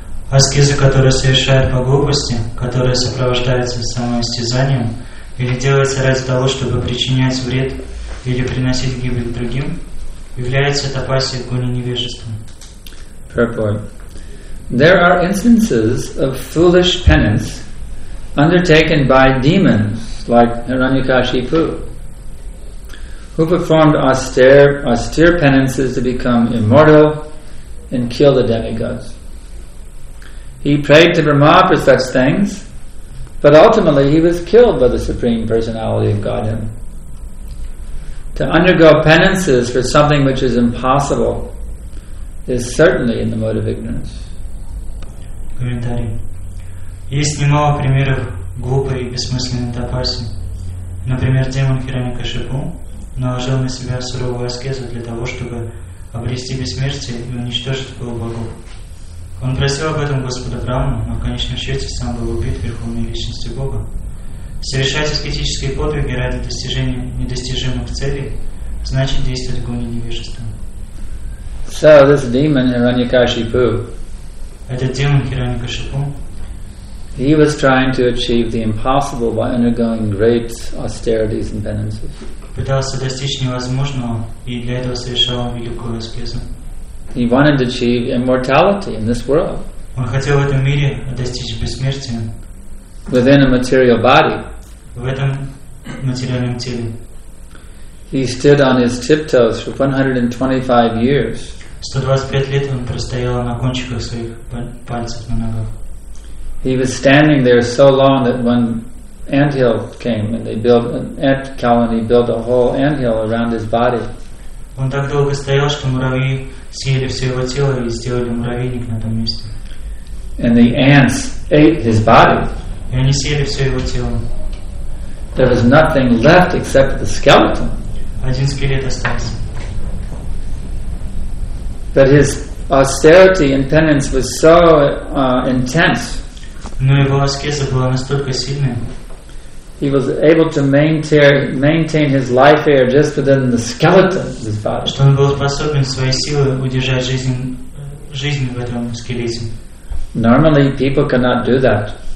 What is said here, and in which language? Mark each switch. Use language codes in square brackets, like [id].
[ru] Аскеза, которая совершает по глупости, которая сопровождается самоистязанием, или делается ради того, чтобы причинять вред или приносить гибель другим, является тапасей в гуне невежества. [en] Purport. There are instances of foolish penance undertaken by demons like Hiranyakashipu, who performed austere penances to become immortal and kill the demigods. He prayed to Brahma for such things, but ultimately he was killed by the Supreme Personality of Godhead. To undergo penances for something which is impossible is certainly in the mode of ignorance. [ru] Комментарий. Есть немало примеров глупой и бессмысленной тапаси. Например, демон Хиранякашипу наложил на себя суровую аскезу для того, чтобы обрести бессмертие и уничтожить полубогов. Он просил об этом Господа Брахму, но в конечном счете сам был убит Верховной Личностью Бога. Совершать аскетические подвиги ради достижения недостижимых целей значит действовать в гуне невежества. [en] So this demon Hiranyakashipu, [ru] этот демон Хиранякашипу, [en] he was trying to achieve the impossible by undergoing great austerities and penances. [ru] Пытался достичь невозможного и для этого совершал великую аскезу. [en] He wanted to achieve immortality in this world. [ru] Он хотел в этом мире достичь бессмертия. [en] Within a material body. [ru] В этом материальном теле. [en] He stood on his tiptoes for 125 years. [ru] 125 лет он простоял на кончиках своих пальцев на ногах. [en] He was standing there so long that one anthill came and they built an ant colony, built a whole anthill around his body. [ru] Он так долго стоял, что муравьи съели все его тело и сделали муравейник на том месте. [en] And the ants ate his body. [ru] И они съели все его тело. [en] There was nothing left except the skeleton. [ru] Один скелет остался. [en] But his austerity and penance was so intense. [ru] Но его аскеза была настолько сильной. [en] He was able to maintain his life air just within the skeleton of his body. [ru] Что он был способен своей силой удержать жизнь в этом скелете. [en] Normally, people cannot do that.